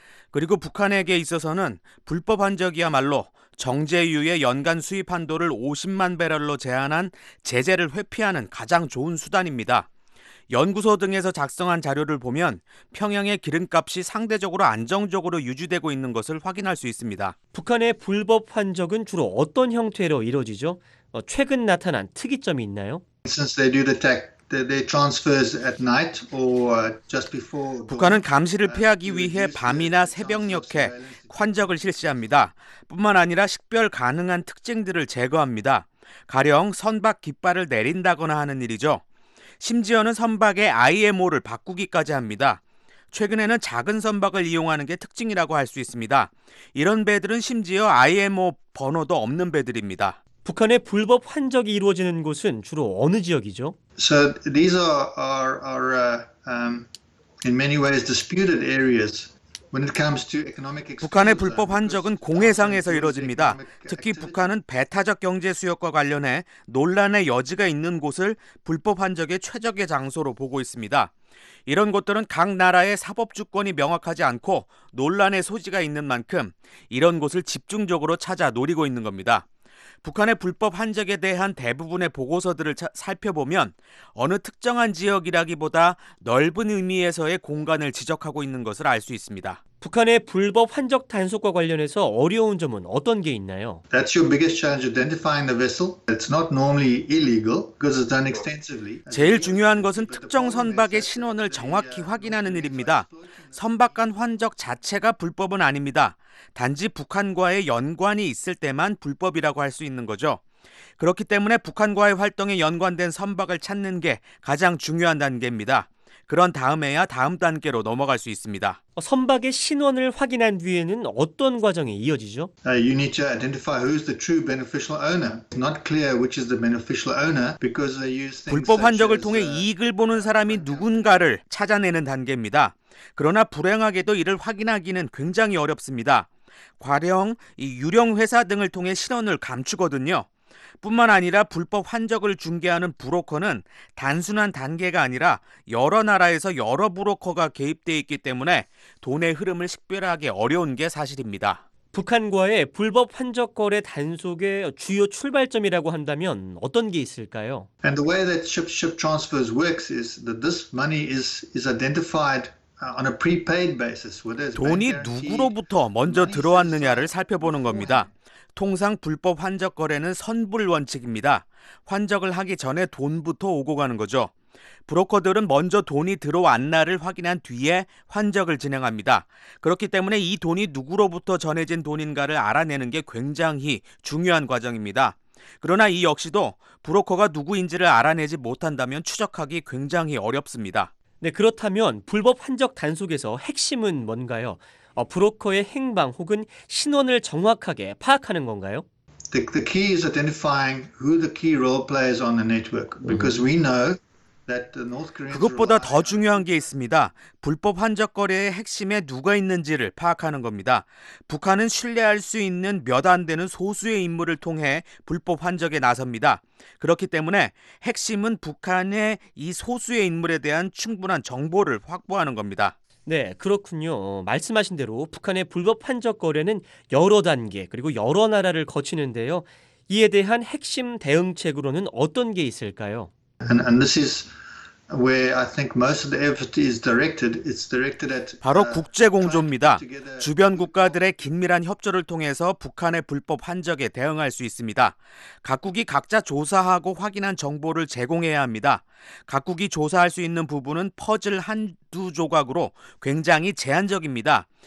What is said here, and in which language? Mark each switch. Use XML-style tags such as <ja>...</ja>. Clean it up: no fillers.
<ko>그리고 북한에게 있어서는 불법 환적이야말로 정제유의 연간 수입 한도를 50만 배럴로 제한한 제재를 회피하는 가장 좋은 수단입니다. 연구소 등에서 작성한 자료를 보면 평양의 기름값이 상대적으로 안정적으로 유지되고 있는 것을 확인할 수 있습니다. 북한의 불법 환적은 주로 어떤 형태로 이루어지죠? 최근 나타난 특이점이 있나요?</ko> <en>Since they do detect the transfers at night or just before</en> <ko>북한은 감시를 피하기 위해 밤이나 새벽녘에 환적을 실시합니다. 뿐만 아니라 식별 가능한 특징들을 제거합니다. 가령 선박 깃발을 내린다거나 하는 일이죠. 심지어는 선박의 IMO를 바꾸기까지 합니다. 최근에는 작은 선박을 이용하는 게 특징이라고 할 수 있습니다. 이런 배들은 심지어 IMO 번호도 없는 배들입니다. 북한의 불법 환적이 이루어지는 곳은 주로 어느 지역이죠?</ko> <en>So these are in many ways disputed areas.</en> <ko>북한의 불법 환적은 공해상에서 이루어집니다. 특히 북한은 배타적 경제 수역과 관련해 논란의 여지가 있는 곳을 불법 환적의 최적의 장소로 보고 있습니다. 이런 곳들은 각 나라의 사법주권이 명확하지 않고 논란의 소지가 있는 만큼 이런 곳을 집중적으로 찾아 노리고 있는 겁니다. 북한의 불법 환적에 대한 대부분의 보고서들을 살펴보면 어느 특정한 지역이라기보다 넓은 의미에서의 공간을 지적하고 있는 것을 알 수 있습니다. 북한의 불법 환적 단속과 관련해서 어려운 점은 어떤 게 있나요?</ko> <en>That's your biggest challenge, identifying the vessel. It's not normally illegal because it's done extensively.</en> <ko>제일 중요한 것은 특정 선박의 신원을 정확히 확인하는 일입니다. 선박 간 환적 자체가 불법은 아닙니다. 단지 북한과의 연관이 있을 때만 불법이라고 할 수 있는 거죠. 그렇기 때문에 북한과의 활동에 연관된 선박을 찾는 게 가장 중요한 단계입니다. 그런 다음에야 다음 단계로 넘어갈 수 있습니다. 선박의 신원을 확인한 뒤에는 어떤 과정이 이어지죠?</ko> <en>You need to identify who is the true beneficial owner. Not clear which is the beneficial owner because they use</en> <ko>불법 환적을 통해 이익을 보는 사람이 누군가를 찾아내는 단계입니다. 그러나 불행하게도 이를 확인하기는 굉장히 어렵습니다. 과령 이 유령 회사 등을 통해 신원을 감추거든요. 뿐만 아니라 불법 환적을 중개하는 브로커는 단순한 단계가 아니라 여러 나라에서 여러 브로커가 개입돼 있기 때문에 돈의 흐름을 식별하기 어려운 게 사실입니다. 북한과의 불법 환적 거래 단속의 주요 출발점이라고 한다면 어떤 게 있을까요?</ko> <en>And the way that ship transfers works is that this money is identified on a prepaid basis.</en> <ko>돈이 누구로부터 먼저 들어왔느냐를 살펴보는 겁니다. 통상 불법 환적 거래는 선불 원칙입니다. 환적을 하기 전에 돈부터 오고 가는 거죠. 브로커들은 먼저 돈이 들어왔나를 확인한 뒤에 환적을 진행합니다. 그렇기 때문에 이 돈이 누구로부터 전해진 돈인가를 알아내는 게 굉장히 중요한 과정입니다. 그러나 이 역시도 브로커가 누구인지를 알아내지 못한다면 추적하기 굉장히 어렵습니다. 네, 그렇다면 불법 환적 단속에서 핵심은 뭔가요? 브로커의 행방 혹은 신원을 정확하게 파악하는 건가요?</ko> <en>The key is identifying who the key role players on the network because we know that the North Koreans.</en> <ko>그것보다 더 중요한 게 있습니다. 불법 환적 거래의 핵심에 누가 있는지를 파악하는 겁니다. 북한은 신뢰할 수 있는 몇 안 되는 소수의 인물을 통해 불법 환적에 나섭니다. 그렇기 때문에 핵심은 북한의 이 소수의 인물에 대한 충분한 정보를 확보하는 겁니다. 네, 그렇군요. 말씀하신 대로 북한의 불법 환적 거래는 여러 단계 그리고 여러 나라를 거치는데요. 이에 대한 핵심 대응책으로는 어떤 게 있을까요?</ko> <en>And this is where I think most of the effort is directed. It's directed at</en> <ko>바로 국제 공조입니다. 주변 국가들의 긴밀한 협조를 통해서 북한의 불법 환적에 대응할 수 있습니다. 각국이 각자 조사하고 확인한 정보를 제공해야 합니다. 각국이 조사할 수 있는 부분은 퍼즐 한두 조각으로 굉장히 제한적입니다.</ko>